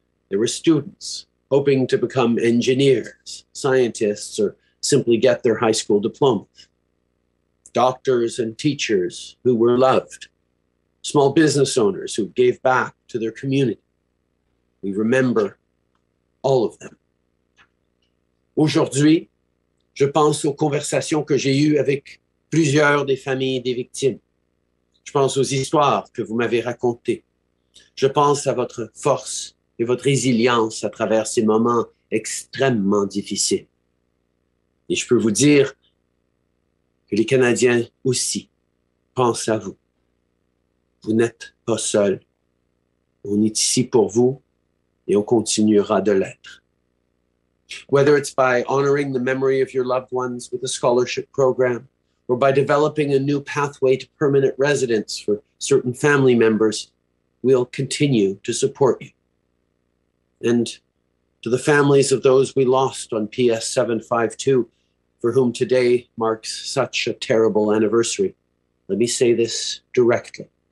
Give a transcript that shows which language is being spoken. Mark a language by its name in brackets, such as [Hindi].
[English] They were students hoping to become engineers, scientists, or simply get their high school diploma. Doctors and teachers who were loved. Small business owners who gave back to their community. We remember all of them. [French] Aujourd'hui, je pense aux conversations que j'ai eues avec plusieurs des familles des victimes. Je pense aux histoires que vous m'avez racontées. Je pense à votre force et votre résilience à travers ces moments extrêmement difficiles. Et je peux vous dire que les Canadiens aussi pensent à vous. Vous n'êtes pas seuls. On est ici pour vous et on continuera de l'être. [English] Whether it's by honoring the memory of your loved ones with a scholarship program, or by developing a new pathway to permanent residence for certain family members, we'll continue to support you. And to the families of those we lost on PS752, for whom today marks such a terrible anniversary, let me say this directly.